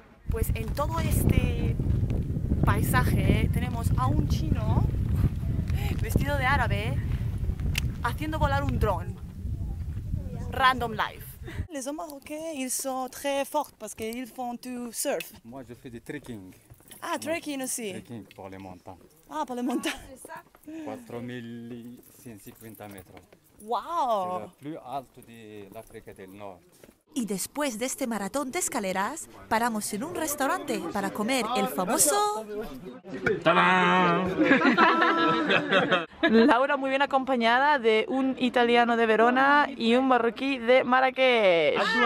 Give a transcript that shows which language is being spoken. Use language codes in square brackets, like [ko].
[es] Pues en todo este paisaje tenemos a un chino vestido de árabe haciendo volar un dron. [en] Random life. [fr] Les [es] hombres marroquíes, [fr] ils sont très forts parce qu'ils font du surf. Moi, je fais du trekking. Ah, trekking no, aussi. Trekking pour les montagnes. Ah, pour les montagnes. C'est ça. 4150 mètres. Wow. C'est le plus alt de l'Afrique du Nord. [es] Y después de este maratón de escaleras, paramos en un restaurante para comer el famoso... ¡Tadán! Laura muy bien acompañada de un italiano de Verona y un marroquí de Marrakech.